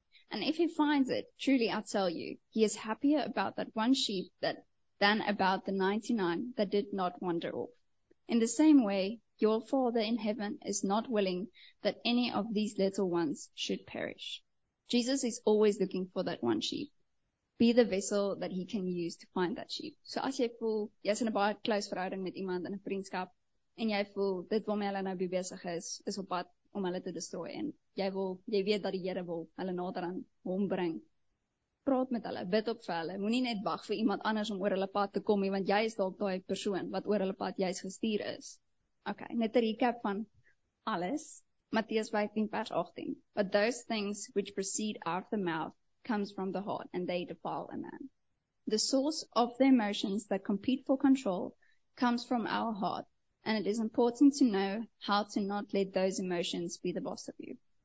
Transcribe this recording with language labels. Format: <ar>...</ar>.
<en>And if he finds it, truly I tell you, he is happier about that one sheep than about the 99 that did not wander off. In the same way, your Father in heaven is not willing that any of these little ones should perish. Jesus is always looking for that one sheep. Be the vessel that he can use to find that sheep.</en> <af>So as jy voel, jy is in 'n baie close verhouding met iemand in 'n vriendskap, en jy voel, dit waarmee hulle nou besig is, is op pad om hulle te destroy, en jy weet dat die Here wil hulle nader aan hom bring. Praat met hulle, bid op vir hulle, moenie net wag vir iemand anders om oor hulle pad te kom, want jy is dalk daai persoon wat oor hulle pad juist gestuur is. Okay, net 'n recap van alles. Matthew 15, verse 18.</af> <en>But those things which proceed out of the mouth comes from the heart, and they defile a man. The source of the emotions that compete for control comes from our heart, and it is important to know how to not let those emotions be the boss of you.</en>